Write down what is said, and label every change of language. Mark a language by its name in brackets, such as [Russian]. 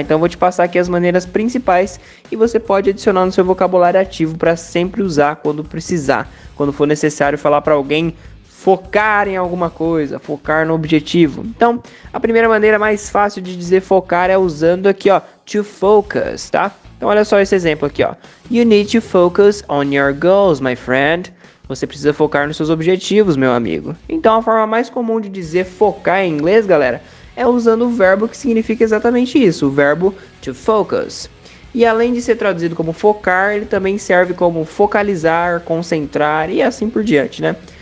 [Portuguese] Então eu vou te passar aqui as maneiras principais e você pode adicionar no seu vocabulário ativo para sempre usar quando precisar. Quando for necessário falar para alguém focar em alguma coisa, focar no objetivo. Então, a primeira maneira mais fácil de dizer focar é usando aqui, ó, to focus, tá? Então olha só esse exemplo aqui, ó. [English] You need to focus on your goals, my friend. [Portuguese] Você precisa focar nos seus objetivos, meu amigo. Então a forma mais comum de dizer focar em inglês, galera, é usando o verbo que significa exatamente isso, o verbo to focus. E além de ser traduzido como focar, ele também serve como focalizar, concentrar e assim por diante, né?